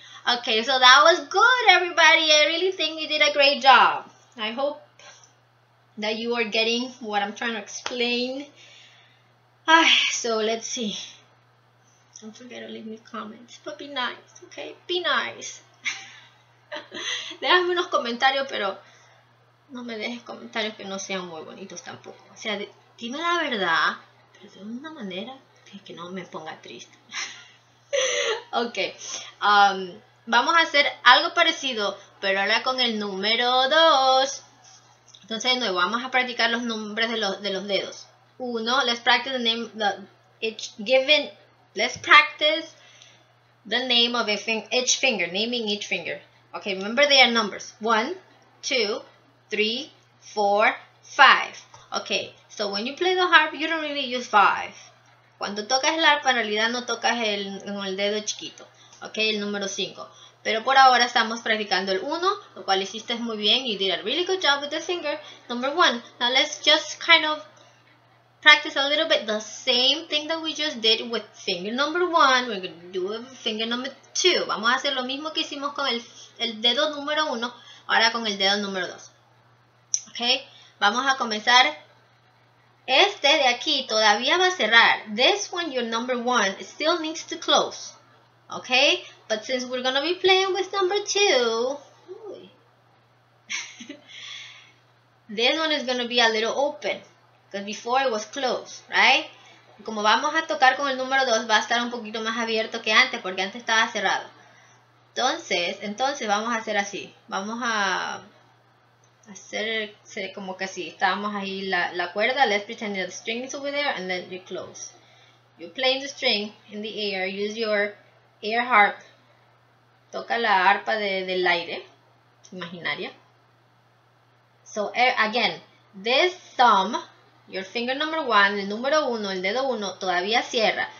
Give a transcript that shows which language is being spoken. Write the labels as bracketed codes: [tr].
[en] Okay, so that was good, everybody. I really think you did a great job. I hope that you are getting what I'm trying to explain. So let's see. Don't forget to leave me comments, but be nice, okay? Be nice. [es] Déjame unos comentarios, pero no me dejes comentarios que no sean muy bonitos tampoco. O sea, dime la verdad, pero de una manera que no me ponga triste. Okay. Vamos a hacer algo parecido, pero ahora con el número 2. Entonces, de nuevo, vamos a practicar los nombres de los dedos. [en] 1, let's practice the name of each finger, naming each finger. Okay, remember they are numbers. 1, 2, 3, 4, 5. Okay, so when you play the harp, you don't really use 5. [es] Cuando tocas el arpa, en realidad no tocas el dedo chiquito. Ok, el número 5. Pero por ahora estamos practicando el 1, lo cual hiciste muy bien. [en] You did a really good job with the finger. Number 1. Now let's just kind of practice a little bit the same thing that we just did with finger number 1. We're going to do it with finger number 2. [es] Vamos a hacer lo mismo que hicimos con el dedo número 1, ahora con el dedo número 2. Ok, vamos a comenzar. Este de aquí todavía va a cerrar. [en] This one, your number one, still needs to close. Okay? But since we're gonna be playing with number two, this one is gonna be a little open. Because before it was closed, right? [es] Como vamos a tocar con el número dos, va a estar un poquito más abierto que antes, porque antes estaba cerrado. Entonces vamos a hacer así. Vamos a hacer como que si estábamos ahí la cuerda. [en] Let's pretend that the string is over there and then you close. You're playing the string in the air. Use your air harp. [es] Toca la arpa del aire. Imaginaria. [en] So again, this thumb, your finger number one, [es] el número uno, el dedo uno, todavía cierra.